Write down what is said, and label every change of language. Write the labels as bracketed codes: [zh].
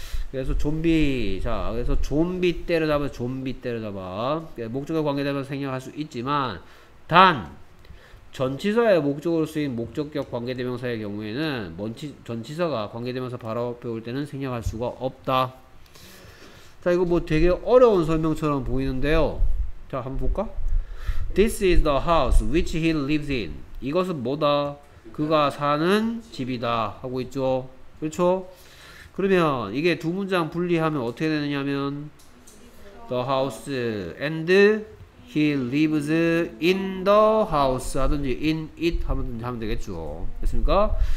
[ko] 그래서 좀비 자 그래서 좀비 때려잡아 좀비 때려잡아 목적과 관계되면 생략할 수 있지만 단 전치사의 목적으로 쓰인 목적격 관계대명사의 경우에는 전치사가 관계대명사 바로 앞에 올 때는 생략할 수가 없다. 자 이거 뭐 되게 어려운 설명처럼 보이는데요. 자 한번 볼까? [en] This is the house which he lives in. [ko] 이것은 뭐다? 그가 사는 집이다 하고 있죠. 그렇죠? 그러면 이게 두 문장 분리하면 어떻게 되느냐면 [en] the house and He lives in the house [ko] 하든지 in it 하든지 하면 되겠죠. 됐습니까?